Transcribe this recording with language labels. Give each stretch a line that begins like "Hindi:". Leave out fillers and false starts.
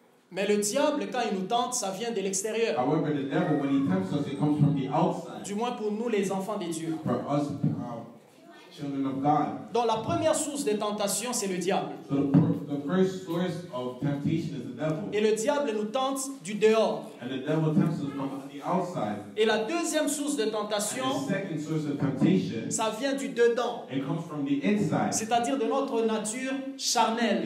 French: Mais le diable, quand il nous tente, ça vient de l'extérieur.
English: However, the devil, when he tempts us, it comes from the outside.
French: Du moins pour nous, les enfants de Dieu.
English: For us, children of God.
French: Donc la première source de tentation, c'est le diable.
English: So the first source of temptation is the devil.
French: Et le diable nous tente du dehors.
English: And the devil tempts us from the outside.
French: Et la deuxième source de tentation,
English: and the second source of temptation,
French: ça vient du dedans.
English: It comes from the inside.
French: C'est-à-dire de notre nature charnelle.